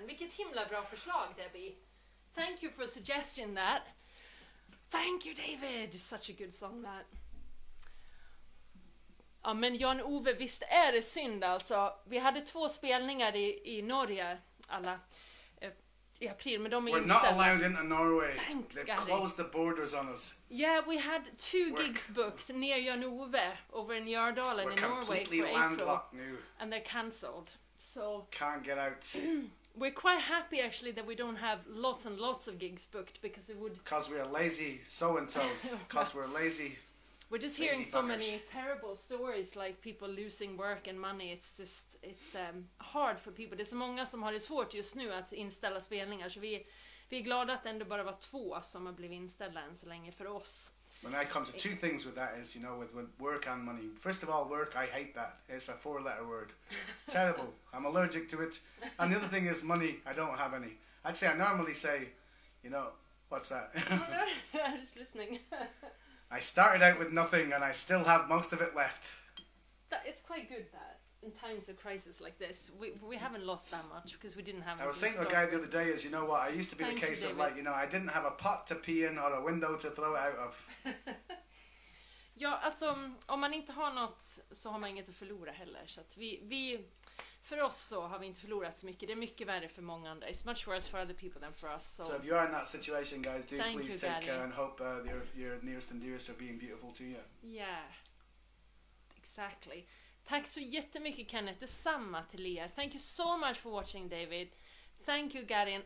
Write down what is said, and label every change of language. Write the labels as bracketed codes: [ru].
[sv] Vilket himla bra förslag, Debbie. [en] Thank you for suggesting that. Thank you, David. Such a good song that. [sv] Ja, men Jan-Ove, visst är det synd alltså. Vi hade två spelningar i Norge, alla, i april, men de är inställda. [en] We're not allowed into Norway. Thanks, they've closed the borders on us. Yeah, we had two gigs booked near Jan-Ove over in Jardalen in Norway. We're completely landlocked now. And they're cancelled. So can't get out. We're quite happy, actually, that we don't have lots and lots of gigs booked, because it would... Because we are lazy so-and-sos. Because we're lazy. We're just hearing so many terrible stories, like people losing work and money. It's just, it's hard for people. [sv] Det är så många som har det svårt just nu att inställa spelningar. Så vi är glada att det ändå bara var två som har blivit inställda än så länge för oss. [en] When I come to two things with that is, you know, with work and money. First of all, work, I hate that. It's a four-letter word. Terrible. I'm allergic to it. And the other thing is money. I don't have any. I'd say I normally say, you know, what's that? I'm just listening. I started out with nothing and I still have most of it left. That, it's quite good that in times of crisis like this, we haven't lost that much because we didn't have I was saying to a guy the other day is, you know what, I used to be of like, you know, I didn't have a pot to pee in or a window to throw it out of. [sv] Ja, alltså, om man inte har något så har man inget att förlora heller. Så att vi, för oss så har vi inte förlorat så mycket. Det är mycket värre för många andra. [en] It's much worse for other people than for us. So, so if you are in that situation, guys, do please take care and hope your nearest and dearest are being beautiful to you. Yeah, exactly. [sv] Tack så jättemycket, Kenneth. Detsamma till er. [en] Thank you so much for watching, David. Thank you, Gary.